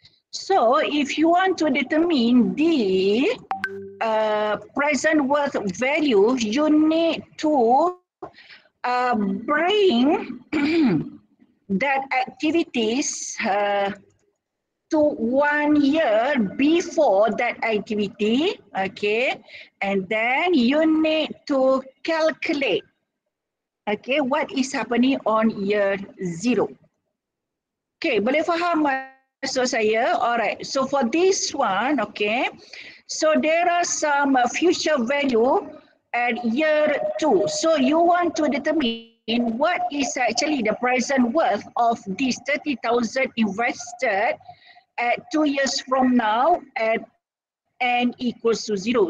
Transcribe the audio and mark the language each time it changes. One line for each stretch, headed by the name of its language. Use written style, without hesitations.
English: So if you want to determine the present worth value, you need to bring that activities to 1 year before that activity, okay, and then you need to calculate, okay, what is happening on year zero.
Malay: Okay, boleh faham maksud saya?
English: Alright, so for this one, okay, so there are some future value at year two. So you want to determine what is actually the present worth of this 30,000 invested at 2 years from now at n equals to zero.